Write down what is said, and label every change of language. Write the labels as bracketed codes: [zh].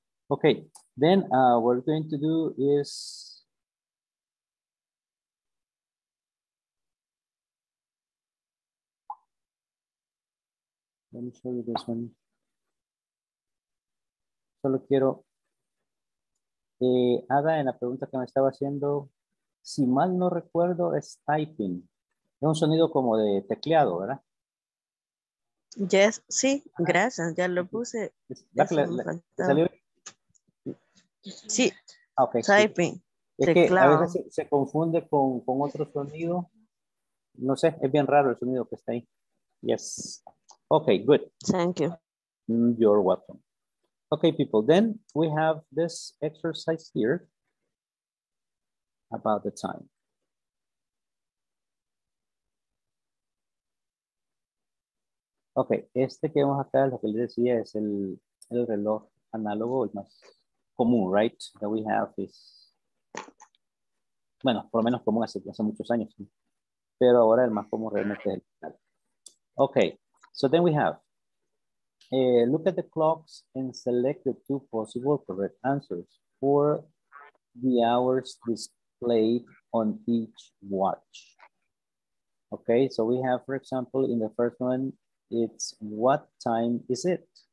[en] Okay, then we're going to do is let me show you this one. [es] Solo quiero Ada, en la pregunta que me estaba haciendo, si mal no recuerdo, es typing. Es un sonido como de tecleado, ¿verdad? [en] Yes, [es] sí, gracias, ya lo puse. ¿Salió? Sí, [en] okay, typing, [es] sí. Es teclado. Que a veces se confunde con otro sonido. No sé, es bien raro el sonido que está ahí. [en] Yes, okay, good. Thank you. You're welcome. Okay, people, then we have this exercise here about the time. [es] Okay, este que vamos a hacer, lo que les decía, es el reloj análogo, el más común, [en] right? That we have is, [es] bueno, por lo menos común hace muchos años, ¿sí? Pero ahora el más común realmente es el final. [en] Okay, so then we have, look at the clocks and select the two possible correct answers for the hours displayed on each watch. Okay, so we have, for example, in the first one, it's what time is it?